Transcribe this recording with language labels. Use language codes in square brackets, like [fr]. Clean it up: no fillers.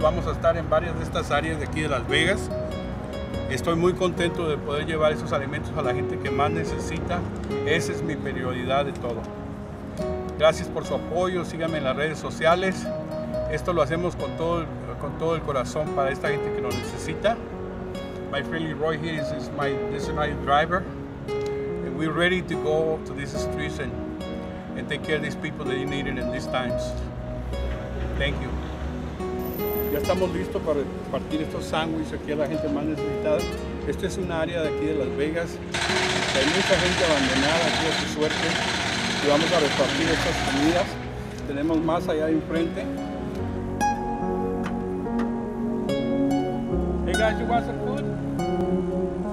[es] Vamos a estar en varias de estas áreas de aquí de Las Vegas. Estoy muy contento de poder llevar esos alimentos a la gente que más necesita. Esa es mi prioridad de todo. Gracias por su apoyo. Síganme en las redes sociales. Esto lo hacemos con todo el corazón para esta gente que nos necesita. [en] My friend Leroy here, this is my driver. And we're ready to go to these streets and take care of these people that you needed in these times. Thank you. [es] Ya estamos listos para repartir estos sándwiches aquí a la gente más necesitada. Este es un área de aquí de Las Vegas. Hay mucha gente abandonada aquí a su suerte. Y vamos a repartir estas comidas. Tenemos más allá de enfrente. [en] Hey guys, you want some food?